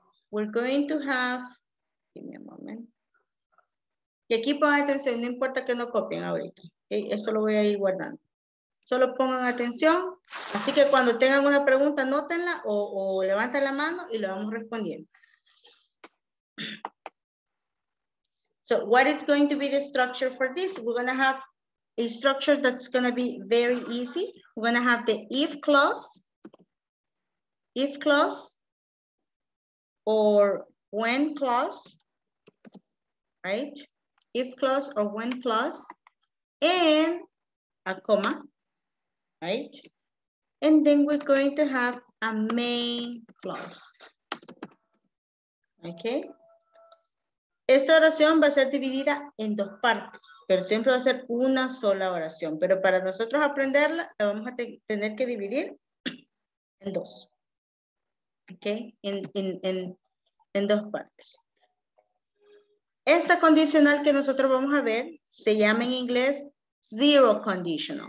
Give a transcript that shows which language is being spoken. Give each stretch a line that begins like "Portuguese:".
English: We're going to have, give me a moment.
Spanish: Y aquí pongan atención, no importa que no copien ahorita. Okay? Eso lo voy a ir guardando. Solo pongan atención. Así que cuando tengan una pregunta, anótenla o levanten la mano y lo vamos respondiendo.
English: So what is going to be the structure for this? We're going to have a structure that's going to be very easy. We're going to have the if clause, or when clause, right? If clause or when clause. and a comma, right? And then we're going to have a main clause. Okay.
Spanish: Esta oración va a ser dividida en dos partes, pero siempre va a ser una sola oración. Pero para nosotros aprenderla, la vamos a tener que dividir en dos. Okay. En dos partes. Esta condicional que nosotros vamos a ver se llama en inglés zero conditional.